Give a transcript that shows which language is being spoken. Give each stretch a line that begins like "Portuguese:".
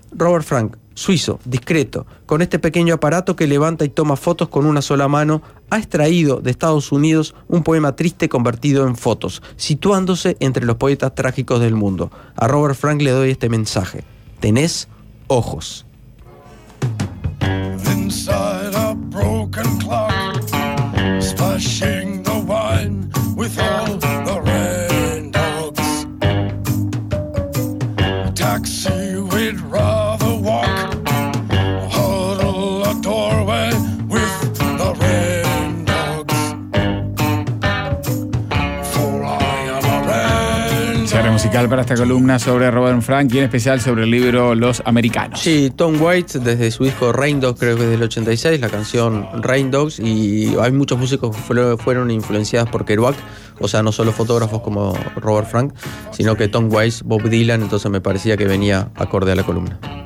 Spanish: Robert Frank, suizo, discreto, con este pequeño aparato que levanta y toma fotos con una sola mano, ha extraído de Estados Unidos un poema triste convertido en fotos, situándose entre los poetas trágicos del mundo. A Robert Frank le doy este mensaje: tenés ojos.
English: Inside a broken clock, splashing the wine with all the rain dogs. A taxi we'd rather walk, huddle a doorway with the rain dogs. For I am a rain dog.
Spanish: Cierre musical para esta columna sobre Robert Frank y en especial sobre el libro Los Americanos. Sí, Tom Waits desde su disco Rain Dogs, creo que es del 86, la canción Rain Dogs, y hay muchos músicos que fueron influenciados por Kerouac, o sea, no solo fotógrafos como Robert Frank, sino que Tom Waits, Bob Dylan, entonces me parecía que venía acorde a la columna.